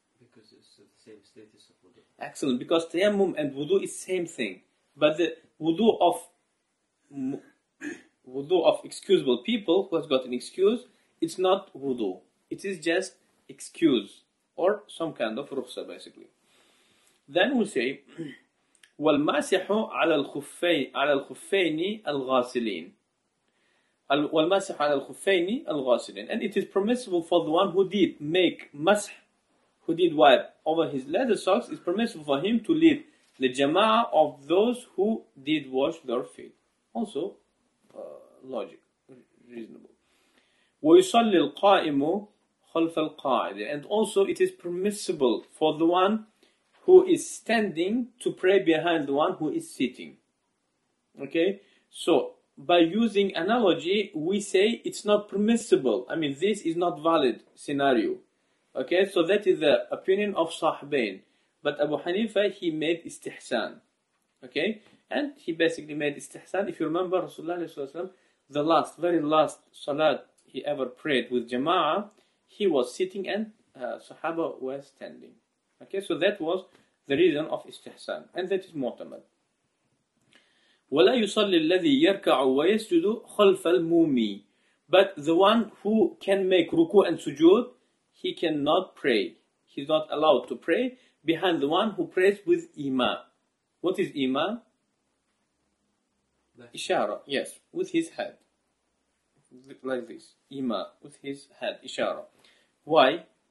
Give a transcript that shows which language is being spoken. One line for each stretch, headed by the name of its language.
English: Because it's the same status of wudu. Excellent, because tayammum and wudu is same thing. But the wudu of excusable people who has got an excuse, it's not wudu. It is just excuse or some kind of rukhsa basically. Then we say,
Arabic: وَالْمَاسِحُ عَلَى الْخُفَّيْنِ الْغَاسِلِينَ والمسح على الخفين الغاسلين.
English: And it is permissible for the one who did make masah, who did wipe over his leather socks, it's permissible for him to lead the jama'ah of those who did wash their feet. Also, logic, reasonable.
Arabic: ويصلي القائم خلف القاعدة.
English: And also, it is permissible for the one who is standing to pray behind the one who is sitting. Okay? So, by using analogy, we say it's not permissible. I mean, this is not valid scenario. Okay, so that is the opinion of Sahbain. But Abu Hanifa, he made istihsan. Okay, and he basically made istihsan. If you remember Rasulullah, the last, very last salat he ever prayed with jama'ah, he was sitting and Sahaba was standing. Okay, so that was the reason of istihsan. And that is mu'tamad.
Arabic: ولا يصلي الذي يركع ويسجد خلف المومي.
English: But the one who can make ruku and sujood, he cannot pray. He's not allowed to pray behind the one who prays with imam. What is imam? Ishara, yes, with his head. Like this, imam, with his head, ishara. Why?